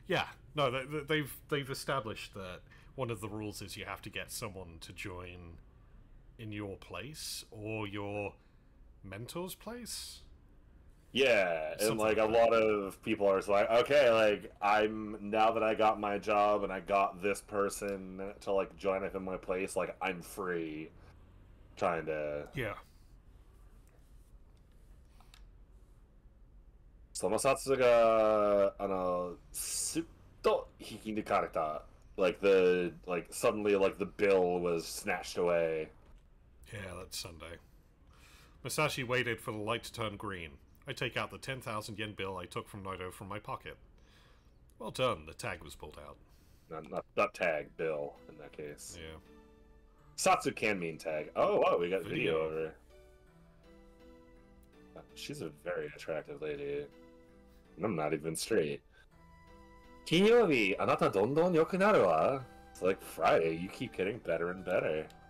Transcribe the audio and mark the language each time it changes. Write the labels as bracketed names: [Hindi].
[English] Yeah, no, they've established that one of the rules is you have to get someone to join in your place or your mentor's place. Yeah, something and like a lot of people are like, okay, like I'm now that I got my job and I got this person to like join up in my place, like I'm free, trying to yeah. [Japanese] その札が、あの、すっと引き抜かれた。 [English] Like the, like, suddenly, like, the bill was snatched away. Yeah, that's Sunday. Masashi waited for the light to turn green. I take out the 10,000 yen bill I took from Naito from my pocket. Well done, the tag was pulled out. Not tag, bill, in that case. Yeah. Satsu can mean tag. Oh, wow, we got video over. She's a very attractive lady. I'm not even straight. [Japanese] 金曜日、あなたどんどん良くなるわ。 [English] It's like Friday, you keep getting better and better.